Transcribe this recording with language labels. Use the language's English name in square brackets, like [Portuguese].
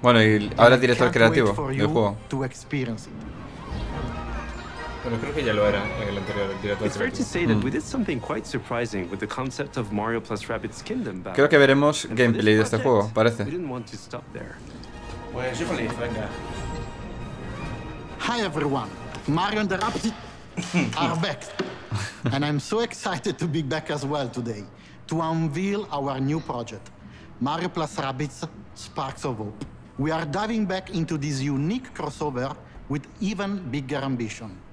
[Spanish] Bueno, y ahora el director creativo del juego. Pero creo que ya lo era en el anterior, el director. [English] It's fair to say that we did something quite surprising with the concept of Mario plus Rabbids Kingdom. [Spanish] Creo que veremos gameplay de este juego, parece. [English] We didn't want to stop there. [Spanish] Pues yo feliz, venga. [English] Hi everyone, Mario and the Rabbids are back, and I'm so excited to be back as well today to unveil our new project, Mario plus Rabbids Sparks of Hope. We are diving back into this unique crossover with even bigger ambition.